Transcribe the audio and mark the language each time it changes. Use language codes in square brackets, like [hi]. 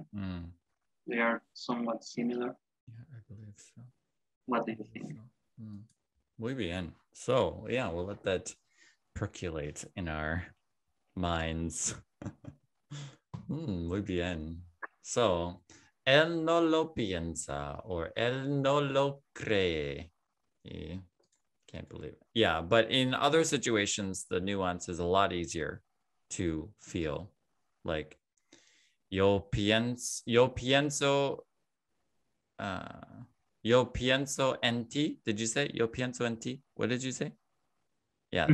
[en] And they are somewhat similar. Yeah, I believe so. What do you think? [es] Muy bien. [en] So, yeah, we'll let that percolate in our minds. [es] Muy bien. [en] So, [es] él no lo piensa or él no lo cree. [en] Yeah. Can't believe it. Yeah, but in other situations, the nuance is a lot easier to feel. [es] Like, yo pienso en ti. [en] Did you say [es] yo pienso en ti? [en] What did you say? Yeah, mm-hmm.